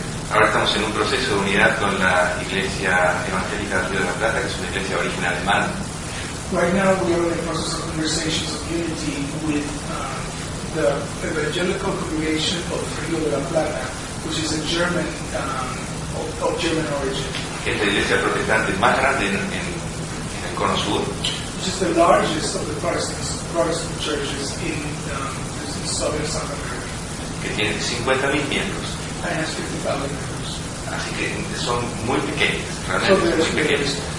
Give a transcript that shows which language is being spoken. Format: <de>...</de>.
<es>Ahora estamos en un proceso de unidad con la Iglesia Evangélica de Río de la Plata, que es una iglesia origen alemán.</es> <en>Right now we are in the process of conversations of unity with the Evangelical Congregation of Río de la Plata, which is a German of German origin.</en> <es>Que es la iglesia protestante más grande en el Cono Sur.</es> <en>Which is the largest of the Protestant churches in southern South America.</en> <es>Que tiene 50,000 miembros.</es> <en>And has 50,000 members.</en> <es>Así que son muy pequeñas, realmente son muy pequeñas.</es>